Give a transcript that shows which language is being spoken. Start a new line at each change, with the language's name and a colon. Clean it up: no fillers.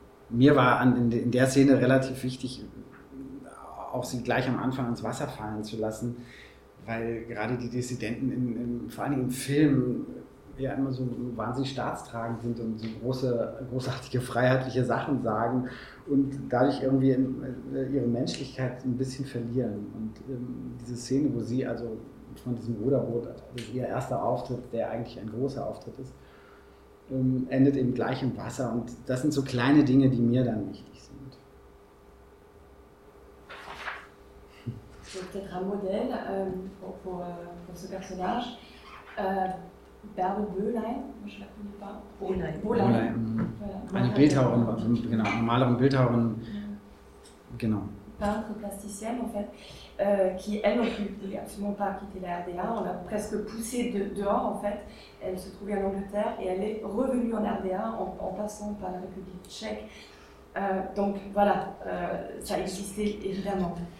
German: Mir war in der Szene relativ wichtig, auch sie gleich am Anfang ins Wasser fallen zu lassen, weil gerade die Dissidenten vor allen Dingen im Film ja immer so wahnsinnig staatstragend sind und so große, großartige freiheitliche Sachen sagen und dadurch irgendwie ihre Menschlichkeit ein bisschen verlieren. Und diese Szene, wo sie also von diesem Ruderboot, also ihr erster Auftritt, der eigentlich ein großer Auftritt ist, endet eben gleich im Wasser. Und das sind so kleine Dinge, die mir dann wichtig sind.
French: Peut-être un modèle pour ce personnage. Bärbel Bohlein, je la connais pas. Bohlein.
German: Eine Bildhauerin, genau, eine Malerin, Bildhauerin. Genau.
French: Peintre plasticienne, en fait, qui elle non plus n'est absolument pas quitté la RDA. On l'a presque poussée dehors, en fait. Elle se trouvait en Angleterre et elle est revenue en RDA en passant par la République tchèque. Donc voilà, ça existait évidemment.